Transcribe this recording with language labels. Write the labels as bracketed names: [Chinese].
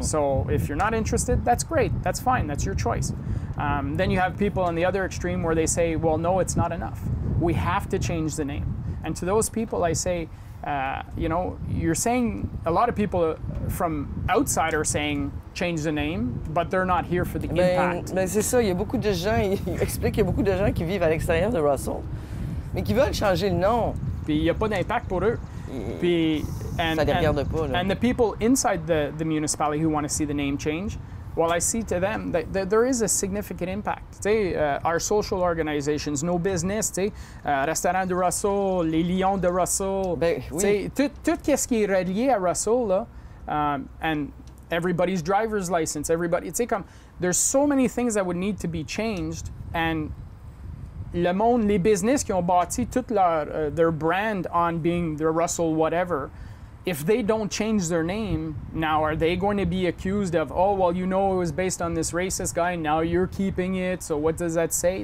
[English] So if you're not interested, that's great. That's fine. That's your choice. Then you have people on the other extreme where they say, well, no, it's not enough. We have to change the name. And to those people, I say, you know, you're saying, a lot of people from outside are saying, change the name, but they're not here for the impact. [French] Mais c'est ça, il y a beaucoup de gens, il explique qu'il y a beaucoup de gens qui vivent à l'extérieur de Russell, mais qui veulent changer le nom. Puis il n'y a pas d'impact pour eux. Puis, [English] and the people inside the municipality who want to see the name change, well, I see to them that there is a significant impact. [French] Tu sais, [English] our social organizations, [French] nos business, tu sais, Restaurant de Russell, les Lions de Russell, ben, tu sais, tout qu'est-ce qui est relié à Russell, là, [English] and everybody's driver's license, everybody, [French] tu sais, comme, [English] there's so many things that would need to be changed, and [French] le monde, les business qui ont bâti toute [English] their brand on being the Russell whatever, if they don't change their name, now are they going to be accused of, oh, well, you know, it was based on this racist guy, now you're keeping it, so what does that say?